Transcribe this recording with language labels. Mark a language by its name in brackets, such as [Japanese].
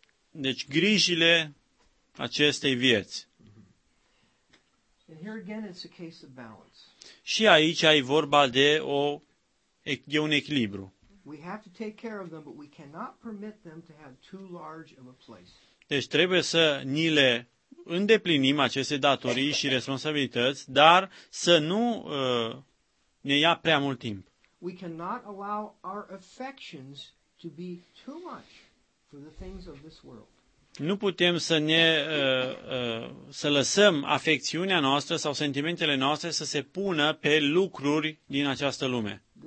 [Romanian] Deci grijile acestei vieți. [English] And here again it's a case of balance. [Romanian] Și aici e vorba de un echilibru. [English] We have to take care of them, but we cannot permit them to have too large of a place. [Romanian] Deci trebuie să ni le îndeplinim aceste datorii și responsabilități, dar să nu ne ia prea mult timp. [English] We cannot allow our affections to be too much for the things of this world. [Romanian] Nu putem să ne să lăsăm afecțiunea noastră sau sentimentele noastre să se pună pe lucruri din această lume.